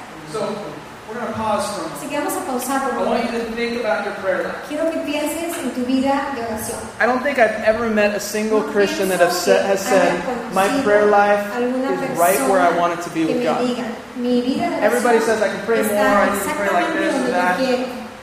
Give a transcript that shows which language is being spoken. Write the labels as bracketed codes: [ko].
[en] So, we're going to pause for a moment. [es] Así que vamos a pausar por un momento. [en] I want you to think about your prayer life. [es] Quiero que pienses en tu vida de oración. [en] I don't think I've ever met a single Christian that has said, my prayer life is right where I want it to be with God. Everybody says, I can pray more, I need to pray like this and that.